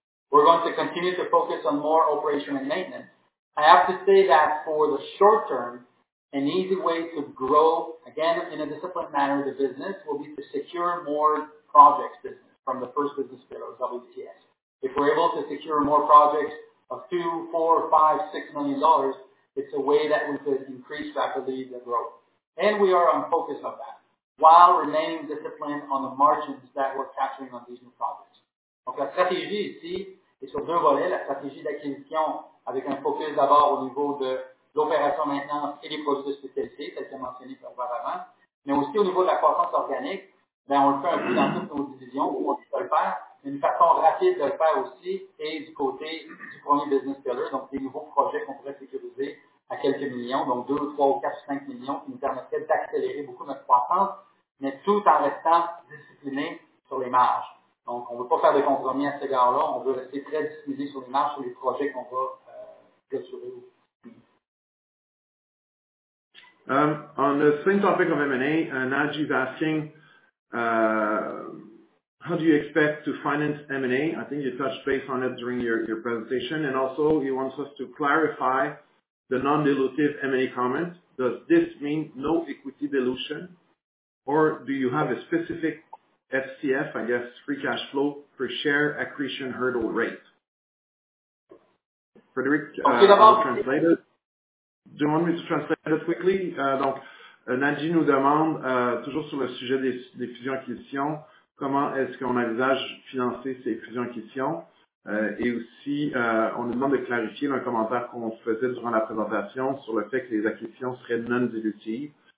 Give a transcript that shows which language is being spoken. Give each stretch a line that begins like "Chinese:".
English: We're going to continue to focus on more operation and maintenance. I have to say that for the short term, an easy way to grow, again, in a disciplined manner, the business will be to secure more projects business from the first business pillar, WTS. If we're able to secure more projects of $2, $4, $5, $6 million, it's a way that we could increase rapidly the growth. And we are on focus on that, while remaining disciplined on the margins that we're capturing on these new projects.
French: Donc la stratégie ici est sur deux volets, la stratégie d'acquisition avec un focus d'abord au niveau de l'opération maintenance et les processus spécialisés, tel que mentionné par auparavant, mais aussi au niveau de la croissance organique, bien, on le fait un peu dans toutes nos divisions, où on peut le faire. Une façon rapide de le faire aussi est du côté du premier business pillar, donc des nouveaux projets qu'on pourrait sécuriser à quelques millions, donc 2, 3 ou 4 ou 5 millions, qui nous permettraient d'accélérer beaucoup notre croissance, mais tout en restant discipliné sur les marges. Donc, on ne veut pas faire de compromis à ce gars-là, on veut rester très discipliné sur les marges, sur les projets qu'on va clôturer.
English: On the same topic of M&A, Najib asking, how do you expect to finance M&A? I think you touched base on it during your presentation. And also, he wants us to clarify the non-dilutive M&A comment. Does this mean no equity dilution? Or do you have a specific FCF, I guess, free cash flow, per share accretion hurdle rate? Frederick, I'll translate it. Do you want me to translate it quickly?
French: Donc, Nadji nous demande, toujours sur le sujet des fusions acquisitions, comment est-ce qu'on envisage financer ces fusions acquisitions? Et aussi, on nous demande de clarifier un commentaire qu'on faisait durant la présentation sur le fait que les acquisitions seraient non-dilutives.